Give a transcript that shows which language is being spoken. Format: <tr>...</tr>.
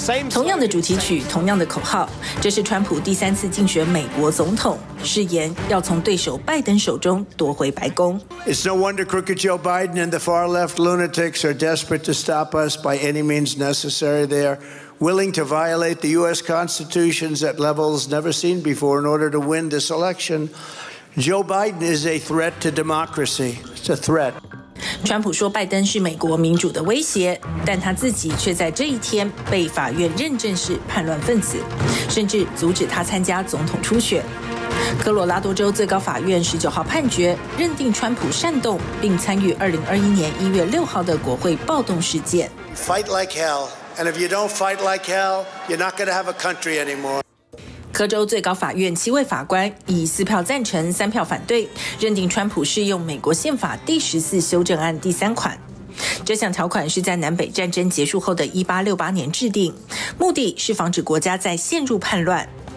<zh>同样的主题曲，同样的口号，这是川普第三次竞选美国总统，誓言要从对手拜登手中夺回白宫。</zh> <en>It's no wonder crooked Joe Biden and the far left lunatics are desperate to stop us by any means necessary. They are willing to violate the U.S. Constitution's at levels never seen before in order to win this election. Joe Biden is a threat to democracy. It's a threat.</en> <zh>川普说拜登是美国民主的威胁，但他自己却在这一天被法院认证是叛乱分子，甚至阻止他参加总统初选。科罗拉多州最高法院19号判决认定川普煽动并参与2021年1月6号的国会暴动事件。</zh> <en>Fight like hell, and if you don't fight like hell, you're not going to have a country anymore.</en> <zh>科州最高法院七位法官以4票赞成、3票反对，认定川普适用美国宪法第14修正案第三款。这项条款是在南北战争结束后的1868年制定，目的是防止国家再陷入叛乱。</zh>